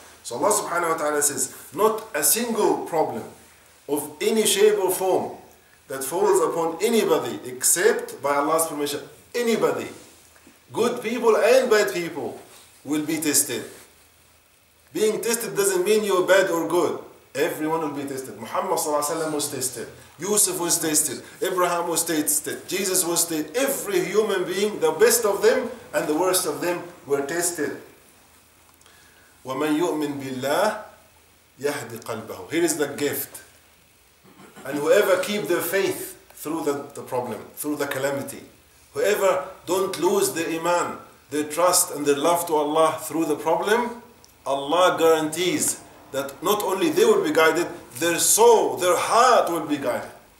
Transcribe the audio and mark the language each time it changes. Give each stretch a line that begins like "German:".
English: So Allah subhanahu wa ta'ala says, not a single problem of any shape or form that falls upon anybody except by Allah's permission, anybody, good people and bad people, will be tested. Being tested doesn't mean you're bad or good. Everyone will be tested. Muhammad sallallahu alayhi wa sallam was tested. Yusuf was tested. Abraham was tested. Jesus was tested. Every human being, the best of them and the worst of them were tested.
Arabic: وَمَنْ يُؤْمِنْ بِاللَّهِ يَهْدِ قَلْبَهُ
English: Here is the gift. And whoever keep their faith through the problem, through the calamity, whoever don't lose their iman, their trust and their love to Allah through the problem, Allah guarantees that not only they will be guided, their soul, their heart will be guided.